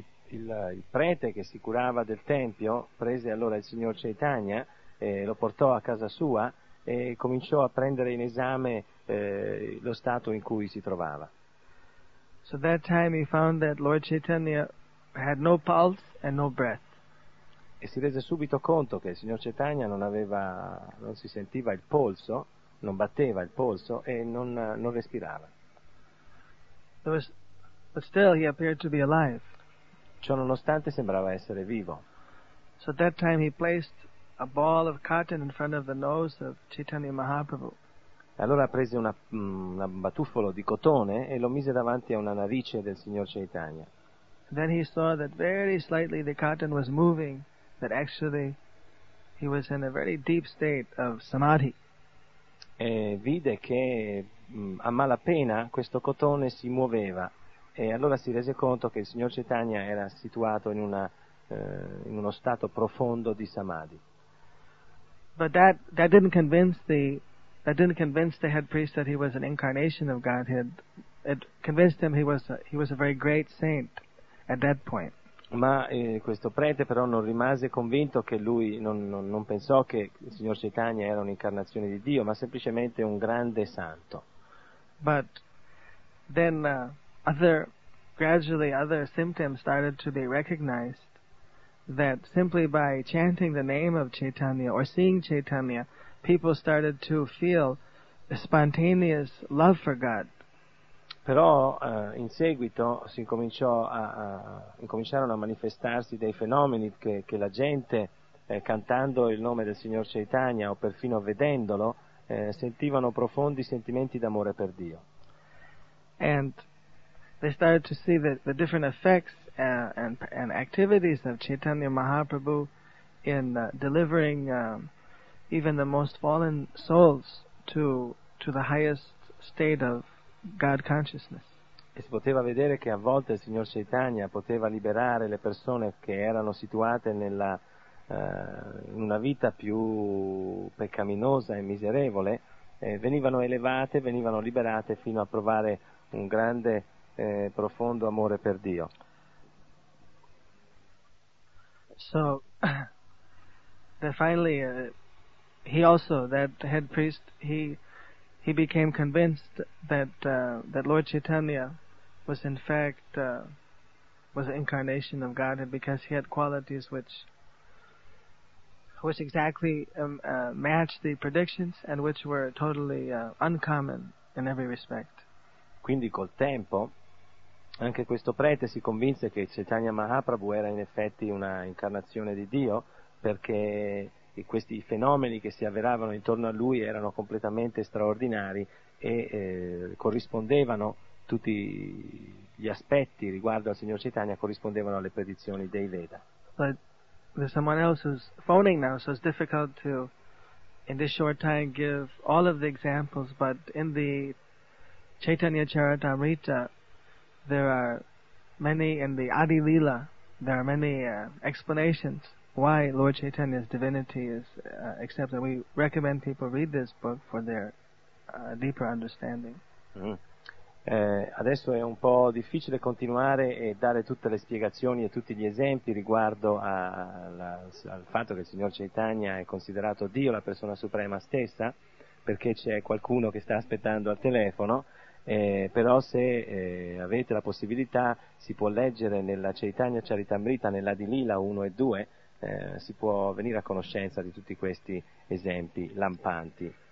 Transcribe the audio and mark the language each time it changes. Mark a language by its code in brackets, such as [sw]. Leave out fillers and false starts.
[it] Il prete che si curava del tempio prese allora il signor Chaitanya e lo portò a casa sua e cominciò a prendere in esame lo stato in cui si trovava. [en] So that time he found that Lord Chaitanya had no pulse and no breath. [it] E si rese subito conto che il signor Chaitanya non si sentiva il polso, non batteva il polso e non respirava. [en] But still he appeared to be alive. [it] Ciò nonostante sembrava essere vivo. [en] So at that time he placed a ball of cotton in front of the nose of Chaitanya Mahaprabhu. [it] Allora prese un batuffolo di cotone e lo mise davanti a una narice del signor Chaitanya. [en] Then he saw that very slightly the cotton was moving, that actually he was in a very deep state of samadhi. [it] E vide che a malapena questo cotone si muoveva. E allora si rese conto che il signor Chaitanya era situato in in uno stato profondo di samadhi. [en] But that didn't convince the head priest that he was an incarnation of Godhead. It convinced him he was a very great saint at that point. [it] Ma questo prete però non rimase convinto che lui non pensò che il signor Chaitanya era un'incarnazione di Dio, ma semplicemente un grande santo. [en] But then other symptoms started to be recognized, that simply by chanting the name of Chaitanya or seeing Chaitanya, people started to feel a spontaneous love for God. [it] Però in seguito si incominciò incominciarono a manifestarsi dei fenomeni che la gente cantando il nome del signor Chaitanya o perfino vedendolo sentivano profondi sentimenti d'amore per Dio. [en] And they started to see the different effects and activities of Chaitanya Mahaprabhu in delivering even the most fallen souls to the highest state of God consciousness. [it] E si poteva vedere che a volte il signor Chaitanya poteva liberare le persone che erano situate nella una vita più peccaminosa e miserevole, venivano elevate, venivano liberate fino a provare un grande profondo amore per Dio. [en] So finally he also, that head priest, he became convinced that that Lord Chaitanya was in fact was an incarnation of Godhead, because he had qualities which exactly matched the predictions and which were totally uncommon in every respect. [it] Quindi col tempo anche questo prete si convinse che Chaitanya Mahaprabhu era in effetti una incarnazione di Dio, perché questi fenomeni che si avveravano intorno a lui erano completamente straordinari e corrispondevano tutti gli aspetti riguardo al signor Chaitanya, corrispondevano alle predizioni dei Veda. [en] But there's someone else who's phoning now, so it's difficult to in this short time give all of the examples, but in the Chaitanya Charitamrita there are many, in the Adi Lila there are many explanations why Lord Chaitanya's divinity is accepted. We recommend people read this book for their deeper understanding. [it] Adesso è un po' difficile continuare e dare tutte le spiegazioni e tutti gli esempi riguardo al fatto che il signor Chaitanya è considerato Dio, la persona suprema stessa, perché c'è qualcuno che sta aspettando al telefono, però se avete la possibilità si può leggere nella Chaitanya Charitamrita, nella Adi Lila 1 e 2, si può venire a conoscenza di tutti questi esempi lampanti.